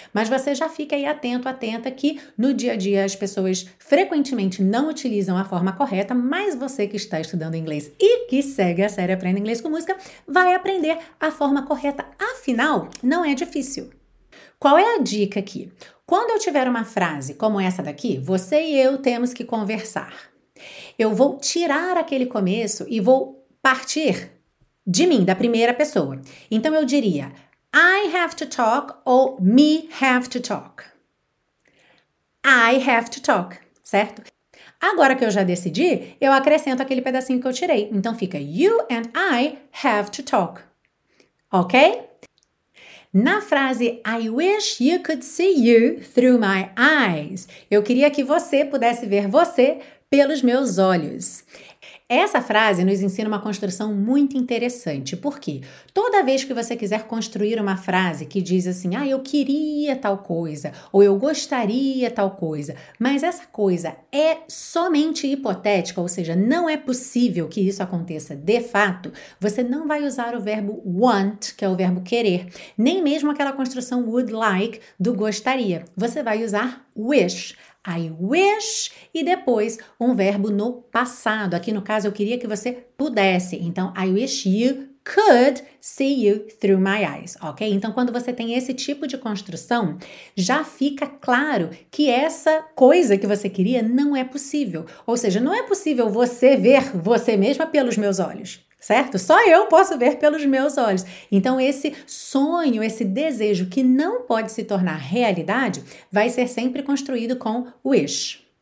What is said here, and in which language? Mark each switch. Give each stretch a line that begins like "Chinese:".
Portuguese: Mas você já fica aí atento, atenta que no dia a dia as pessoas frequentemente não utilizam a forma correta, mas você que está estudando inglês e que segue a série Aprenda Inglês com Música vai aprender a forma correta. Afinal, não é difícil. Qual é a dica aqui? Quando eu tiver uma frase como essa daqui, você e eu temos que conversar. Eu vou tirar aquele começo e vou partir de mim, da primeira pessoa. Então, eu diria,
English: I have to talk ou me have to talk. I have to talk, certo?
Portuguese: Agora que eu já decidi, eu acrescento aquele pedacinho que eu tirei. Então, fica,
English: you and I have to talk. Ok?
Portuguese: Na frase,
English: I wish you could see you through my eyes.
Portuguese: Eu queria que você pudesse ver você pelos meus olhos. Essa frase nos ensina uma construção muito interessante, porque toda vez que você quiser construir uma frase que diz assim, ah, eu queria tal coisa, ou eu gostaria tal coisa, mas essa coisa é somente hipotética, ou seja, não é possível que isso aconteça de fato, você não vai usar o verbo want, que é o verbo querer, nem mesmo aquela construção would like do gostaria. Você vai usar wish.
English: I wish,
Portuguese: e depois um verbo no passado. Aqui no caso, eu queria que você pudesse.
English: Então, I wish you could see you through my eyes, ok?
Portuguese: Então, quando você tem esse tipo de construção, já fica claro que essa coisa que você queria não é possível. Ou seja, não é possível você ver você mesma pelos meus olhos, certo? Só eu posso ver pelos meus olhos. Então, esse sonho, esse desejo que não pode se tornar realidade, vai ser sempre construído com wish.